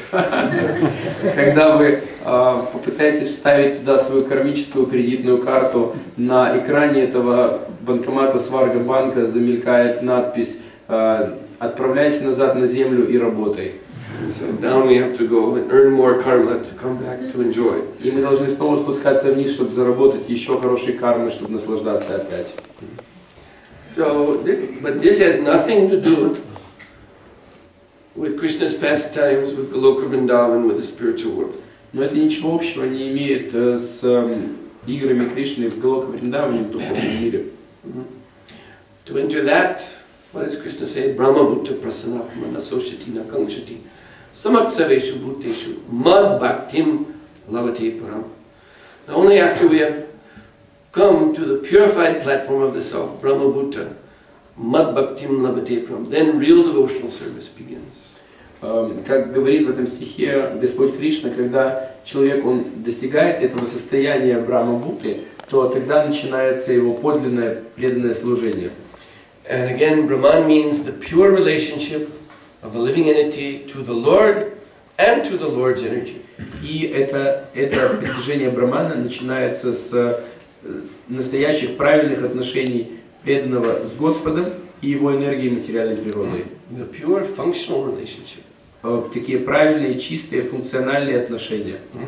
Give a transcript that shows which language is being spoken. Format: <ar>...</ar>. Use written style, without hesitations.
<ru>Когда вы попытаетесь вставить туда свою кармическую кредитную карту, на экране этого банкомата сварга банка замелькает надпись «Отправляйся назад на землю и работай».</ru> <en>So down we have to go and earn more karma to come back to enjoy.</en> <ru>И мы должны снова спускаться вниз, чтобы заработать еще хорошие кармы, чтобы наслаждаться опять.</ru> <en>So this, but this has nothing to do with Krishna's pastimes, with Goloka Vrindavan, with the spiritual world.</en> <ru>Но это ничего общего не имеет с играми Кришны в Голока Вриндаване, в духовном мире.</ru> <en>To enter that, what does Krishna say?</en> <sa>Brahma Bhutta Prasanatma Nasoshati Nakangshati. Samaksaveshu bhuteshu mad bhaktim lavate param.</sa> <en>Only after we have come to the purified platform of the self, Brahma Bhutta,</en> <sa>mad bhaktim lavate param,</sa> <en>then real devotional service begins.</en> <ru>Как говорит в этом стихе Господь Кришна, когда человек он достигает этого состояния Брахма Бхутты, то тогда начинается его подлинное преданное служение.</ru> <en>And again, Brahman means the pure relationship of a living entity to the Lord and to the Lord's energy.</en> <ru>И это постижение Брахмана начинается с настоящих правильных отношений преданного с Господом и его энергией материальной природы.</ru> <en>The pure functional relationship.</en> <ru>Такие правильные, чистые, функциональные отношения.</ru>